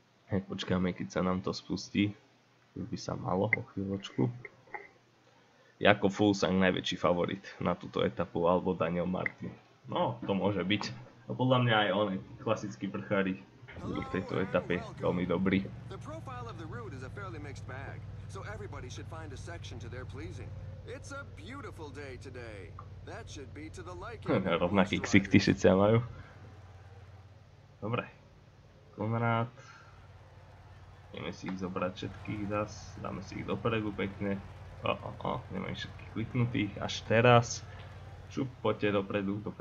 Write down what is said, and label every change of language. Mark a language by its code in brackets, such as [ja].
[sk] Hej, počkáme, keď sa nám to spustí, už by sa malo o chvíľočku. Jako Fuglsang najväčší favorit na túto etapu, alebo Daniel Martin, no to môže byť. A podľa mňa aj on, klasický vrchári, budú v tejto etape veľmi dobrý. [en] The profile of the route is a fairly mixed bag, so everybody should find a section to their pleasing. It's a beautiful day today. That should be to the liking. [sk] Rovnaký ksik ty všetci majú. Dobre. Konrad. Ideme si ich zobrať všetkých zas. Dáme si ich dopredu pekne. Nemám všetkých kliknutých. Až teraz. Šup, poďte dopredu.